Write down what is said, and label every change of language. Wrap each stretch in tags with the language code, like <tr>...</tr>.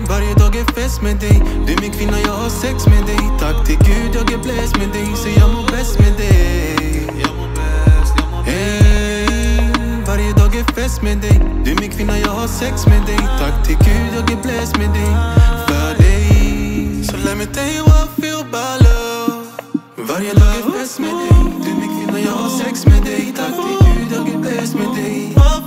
<sv>Du är min kvinna, jag har sex med dig. Tack till Gud, jag är bläst med dig. Så jag mår bäst med dig. Hey, varje dag är fest med dig. Du är min kvinna, jag har sex med dig. Tack till Gud, jag är bläst med dig. För dig.</sv> <en>So let me tell you what I feel about love.</en> <sv>Varje dag är fest med dig. Du är min kvinna, jag har sex med dig. Tack till Gud, jag är bläst med dig.</sv>